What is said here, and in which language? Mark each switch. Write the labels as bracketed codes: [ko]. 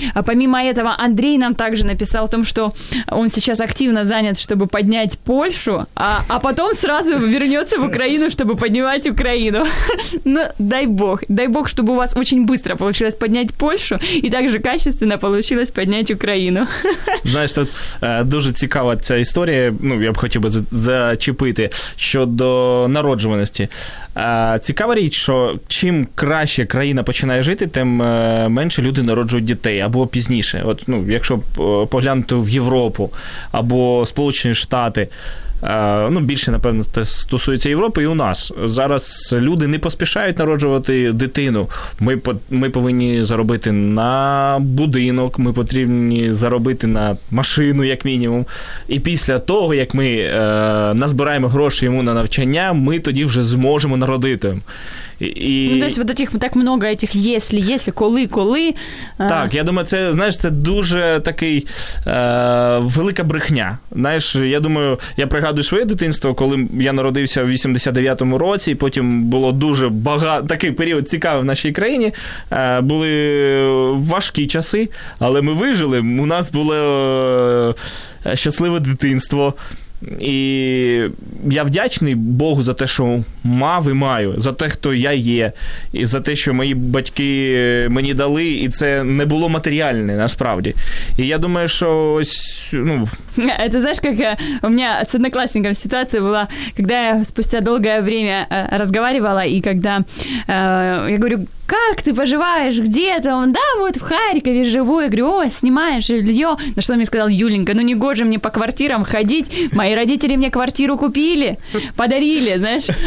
[ru] А помимо этого, Андрей нам также написал о том, что он сейчас активно занят, чтобы поднять Польшу, а потом сразу вернется в Украину, чтобы поднимать Украину. Ну, дай бог. Дай бог, чтобы у вас очень быстро получилось поднять Польшу и также качественно получилось поднять Украину. [uk] Знаешь, тут дуже цікава ця історія, ну, я б хотів би зачепити щодо народжуваності. Цікава річ, що чим краще країна починає жити, тим менше люди народжують дітей, або пізніше. От, ну, якщо поглянути в Європу або Сполучені Штати, ну, більше, напевно, це стосується Європи і у нас. Зараз люди не поспішають народжувати дитину. Ми повинні заробити на будинок, ми потрібні заробити на машину, як мінімум. І після того, як ми назбираємо гроші йому на навчання, ми тоді вже зможемо народити. [ru] Ну, то есть вот этих так много этих если, коли. [uk] Так, я думаю, це, знаєш, це дуже такий велика брехня. Знаєш, я думаю, я пригадую своє дитинство, коли я народився в 89-му році, і потім було дуже багато такий період цікавий в нашій країні. Були важкі часи, але ми вижили. У нас було щасливе дитинство. І я вдячний Богу за те, що мав і маю, за те, хто я є, і за те, що мої батьки мені дали, і це не було матеріальне насправді. І я думаю, що ось, ну... [ru] Это знаешь, как у меня с одноклассником ситуация была, когда я спустя долгое время разговаривала, и когда я говорю, как ты поживаешь, где ты? Он, да, вот в Харькове живу. Я говорю, о, снимаешь жилье? На что он мне сказал, Юленька, ну не гоже мне по квартирам ходить, мои родители мне квартиру купили, подарили, знаешь.